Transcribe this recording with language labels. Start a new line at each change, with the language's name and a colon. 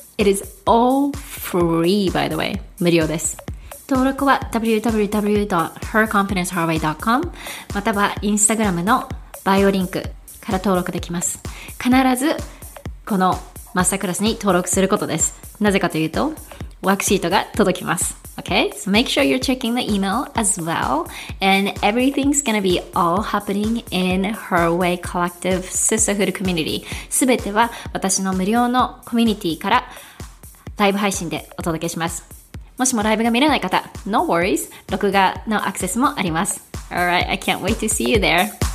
English: It is all free by the way.
Japanese: 無料です。登録は www.herconfidenceherway.com またはインスタグラムのバイオリンクから登録できます。必ずこのマスタークラスに登録することです。なぜかというとワークシートが届きます。
English: Okay, so make sure you're checking the email as well. And everything's gonna be all happening in Her Way Collective Sisterhood Community.
Japanese: すべては私の無料のコミュニティからライブ配信でお届けします。もしもライブが見れない方、
English: No worries,
Japanese: 録画のアクセスもあります。
English: Alright, I can't wait to see you there.